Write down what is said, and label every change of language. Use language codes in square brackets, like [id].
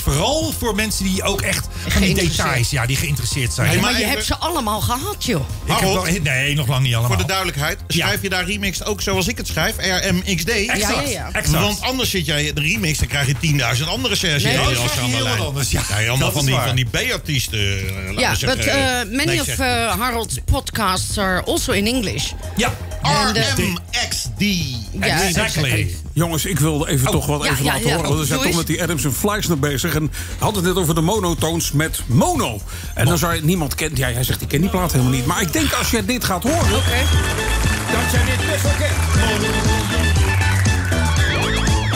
[nl] Vooral voor mensen die ook echt van die details, die geïnteresseerd zijn. Nee, maar je hebt ze allemaal gehad, joh. Nog lang niet allemaal. Voor de duidelijkheid, schrijf je daar Remixed ook zoals ik het schrijf? RMXD? Exact. Ja, ja, ja. Exact. Want anders zit jij de Remixed, dan krijg je 10.000 andere sessies. Nee, dat is helemaal anders. Ja, allemaal van die B-artiesten. [en] Ja, but many of Harold's podcasts are also in English. [nl] Ja. RMXD. [en] Ja, exactly. [nl] Jongens, ik wilde even horen. Want we zijn toch met die Adams en Fleischner bezig. En had het net over de monotones met mono. En dan zou je niemand kent. Ja, hij zegt, ik ken die plaat helemaal niet. Maar ik denk als je dit gaat horen. Oké. Dat jij dit best wel kent.